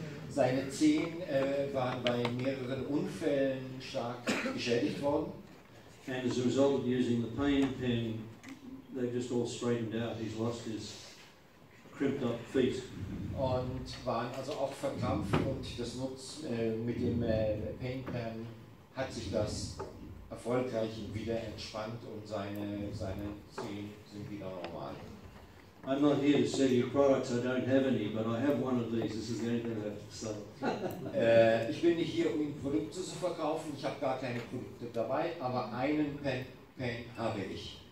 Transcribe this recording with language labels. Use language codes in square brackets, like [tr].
[de] Seine Zehen waren bei mehreren Unfällen stark geschädigt worden. [en] And as a result of using the pain pen, they just all straightened out. He's lost his crimped up feet. [de] Und waren also auch verkrampft und das mit dem Pain Pen hat sich das erfolgreich wieder entspannt und seine Zehen sind wieder normal. [en] I'm not here to sell you products, I don't have any, but I have one of these, this is the only thing I have to sell. [de] Ich bin nicht hier, um Ihnen Produkte zu verkaufen, ich habe gar keine Produkte dabei, aber einen Pen habe ich.